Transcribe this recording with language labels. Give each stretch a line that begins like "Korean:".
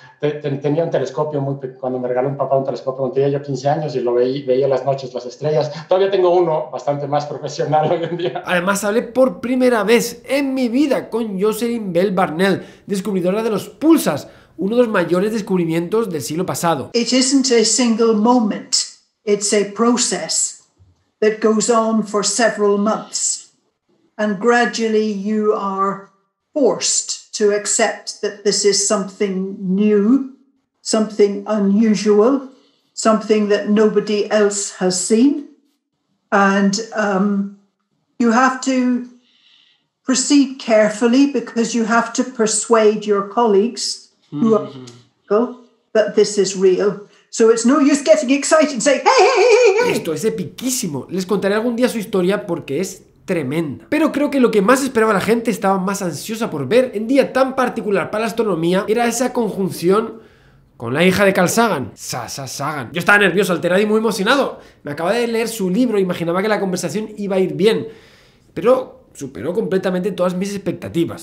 Spanish: Tenía un telescopio, cuando me regaló un papá un telescopio, cuando tenía yo 15 años y lo veía las noches, las estrellas. Todavía tengo uno bastante más profesional hoy en día. Además, hablé por primera vez en mi vida con Jocelyn Bell Barnell, descubridora de los pulsars, uno de los mayores descubrimientos del siglo pasado.
English: It isn't a single moment, it's a process that goes on for several months. And gradually you are forced to accept that this is something new, something unusual, something that nobody else has seen. And you have to proceed carefully because you have to persuade your colleagues who are skeptical that this is real. So it's no use getting excited and saying, hey!
Spanish: Esto es epiquísimo. Les contaré algún día su historia porque es tremenda. Pero creo que lo que más esperaba la gente, estaba más ansiosa por ver en día tan particular para la astronomía, era esa conjunción con la hija de Carl Sagan, Sasha Sagan. Yo estaba nervioso, alterado y muy emocionado. Me acababa de leer su libro, imaginaba que la conversación iba a ir bien, pero superó completamente todas mis expectativas.